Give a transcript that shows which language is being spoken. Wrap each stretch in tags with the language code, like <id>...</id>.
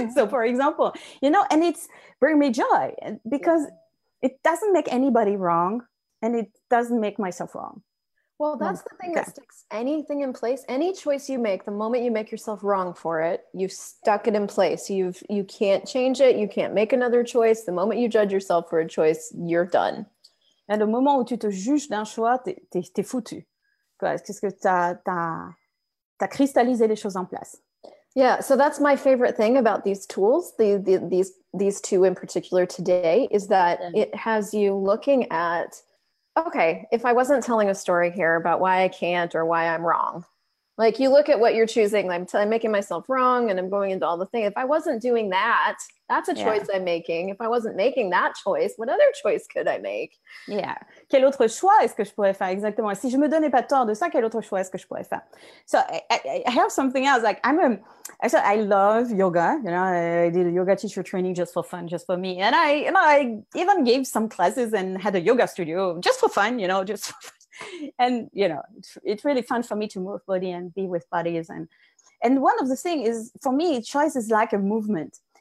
<en>So for example, you know, and it's bring me joy because it doesn't make anybody wrong and it doesn't make myself wrong. Well, that's the thing that sticks anything in place. Any choice you make, the moment you make yourself wrong for it, you've stuck it in place. You can't change it, you can't make another choice. The moment you judge yourself for a choice, you're done. And the moment</en> <fr>où tu te juges d'un choix, t'es foutu. Qu'est-ce que t'as cristallisé les choses en place.</fr> <en>Yeah, so that's my favorite thing about these tools, these two in particular today, is that it has you looking at, okay, if I wasn't telling a story here about why I can't or why I'm wrong, like you look at what you're choosing, I'm making myself wrong and I'm going into all the things. If I wasn't doing that, that's a choice I'm making. If I wasn't making that choice, what other choice could I make? Yeah.</en> <fr>Quel autre choix est-ce que je pourrais faire exactement? Si je me donnais pas tort de ça, quel autre choix est-ce que je pourrais faire?</fr> <en>So I have something else. Like I love yoga. You know, I did a yoga teacher training just for fun, just for me. And I, you know, I even gave some classes and had a yoga studio just for fun, you know, just for fun. And, you know, it's really fun for me to move body and be with bodies. And one of the things is, for me, choice is like a movement.</en>